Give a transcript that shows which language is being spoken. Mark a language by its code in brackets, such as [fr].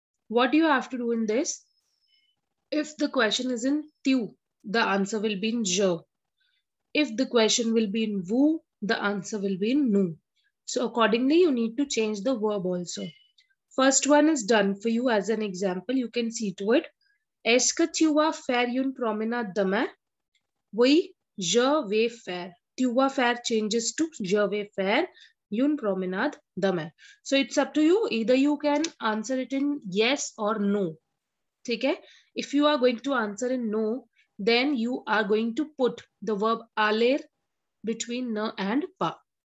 [en] What do you have to do in this? If the question is in tu, the answer will be in je. If the question will be in vous, the answer will be in nous. So accordingly, you need to change the verb also. First one is done for you as an example. You can see to it. [fr] Est-ce que tu vas faire une promenade demain? Oui, je vais faire. Tu vas faire [en] changes to [fr] je vais faire une promenade demain. [en] So it's up to you. Either you can answer it in yes or no. Okay? If you are going to answer in no, then you are going to put the verb aller between ne and pa.